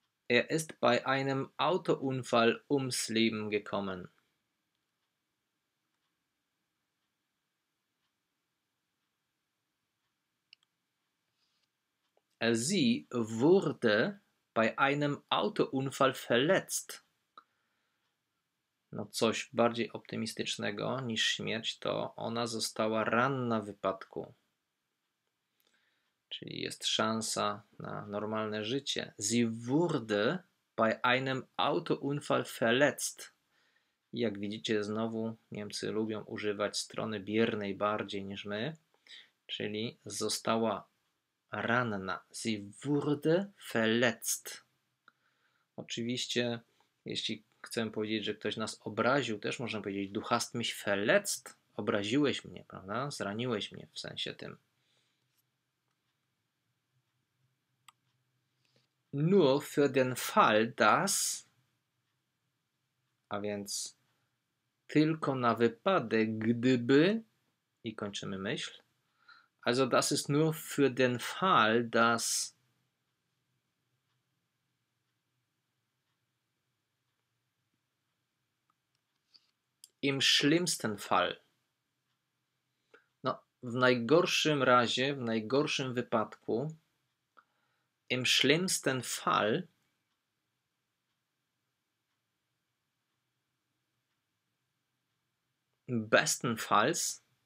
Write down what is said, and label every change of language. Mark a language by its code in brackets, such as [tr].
[de] Er ist bei einem Autounfall ums Leben gekommen. Sie wurde bei einem Autounfall verletzt. [pl] No coś bardziej optymistycznego niż śmierć, to ona została ranna w wypadku. Czyli jest szansa na normalne życie. [de] Sie wurde bei einem Autounfall verletzt. [pl] Jak widzicie, znowu Niemcy lubią używać strony biernej bardziej niż my. Czyli została ranna. [de] Sie wurde verletzt. [pl] Oczywiście, jeśli chcemy powiedzieć, że ktoś nas obraził, też można powiedzieć, [de] du hast mich verletzt. [pl] Obraziłeś mnie, prawda? Zraniłeś mnie w sensie tym. [de] Nur für den Fall, dass, [pl] a więc tylko na wypadek, gdyby, i kończymy myśl. [de] Also das ist nur für den Fall, dass, im schlimmsten Fall. [pl] No, w najgorszym razie, w najgorszym wypadku. [de] Im schlimmsten Fall. Bestenfalls.